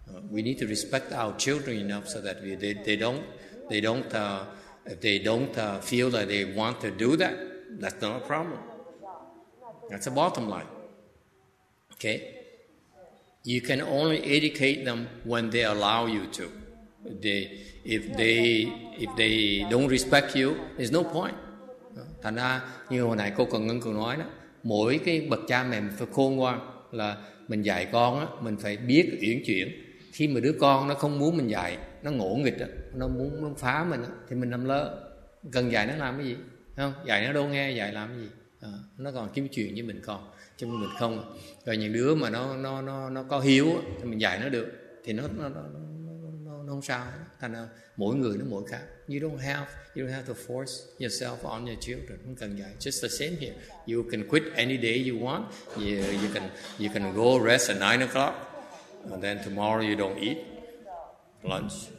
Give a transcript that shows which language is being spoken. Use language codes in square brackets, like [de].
[en] We need to respect our children enough so that if they don't feel that they want to do that, that's not a problem. That's the bottom line. Okay? You can only educate them when they allow you to. If they don't respect you, there's no point. [vi] Thành ra, như hồi nãy cô Cần Ngân cô nói đó, mỗi cái bậc cha mẹ mình phải khôn ngoan là mình dạy con á, mình phải biết uyển chuyển. Khi mà đứa con nó không muốn mình dạy, nó ngỗ nghịch á, nó muốn nó phá mình á, thì mình làm lơ. Cần dạy nó làm cái gì? Không, dạy nó đâu nghe, dạy làm cái gì? Nó còn kiếm chuyện với mình con, chứ mình không. Rồi những đứa mà nó có hiếu thì mình dạy nó được, thì nó không sao. Thành ra mỗi người nó mỗi khác. [en] You don't have to force yourself on your children. Không cần vậy. Just the same here. You can quit any day you want. You can go rest at 9 o'clock, and then tomorrow you don't eat lunch.